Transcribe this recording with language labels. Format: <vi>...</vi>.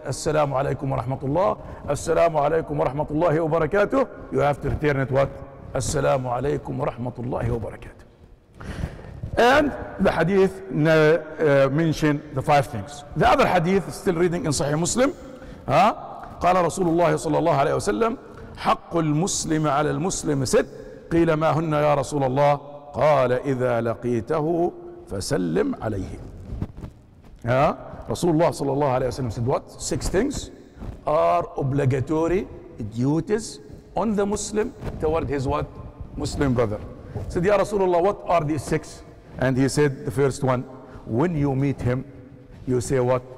<en>As-salamu alaykum wa rahmatullah. As-salamu alaykum wa rahmatullahi wa barakatuh. You have to return it what? As-salamu alaykum wa rahmatullahi wa barakatuh. And the hadith mention the five things. The other hadith is still reading in Sahih Muslim.</en> <ar>قال رسول الله صلى الله عليه وسلم حق المسلم على المسلم ست قيل ما هن يا رسول الله قال إذا لقيته فسلم عليه. رسول الله صلى الله عليه وسلم</ar> <en>said what? Six things are obligatory duties on the Muslim toward his what? Muslim brother. Said</en> <ar>يا رسول الله</ar> <en>what are these six? And he said the first one, when you meet him you say what?</en>